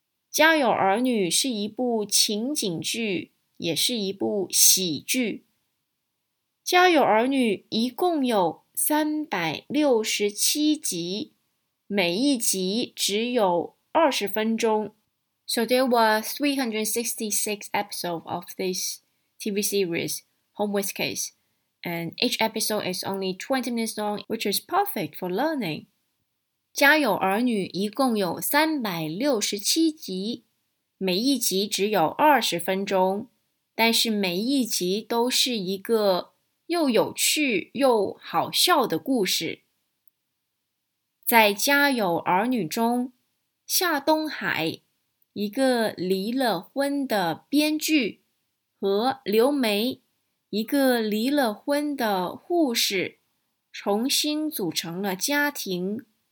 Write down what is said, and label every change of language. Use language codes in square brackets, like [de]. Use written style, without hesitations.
[zh] 家有儿女是一部情景剧，也是一部喜剧。家有儿女一共有367集，每一集只有20分钟。 [en] So there were 366 episodes of this TV series, Home with Kids, and each episode is only 20 minutes long, which is perfect for learning. [zh] 家有儿女一共有367集，每一集只有20分钟，但是每一集都是一个又有趣又好笑的故事。在家有儿女中，夏东海，一个离了婚的编剧，和刘梅，一个离了婚的护士，重新组成了家庭。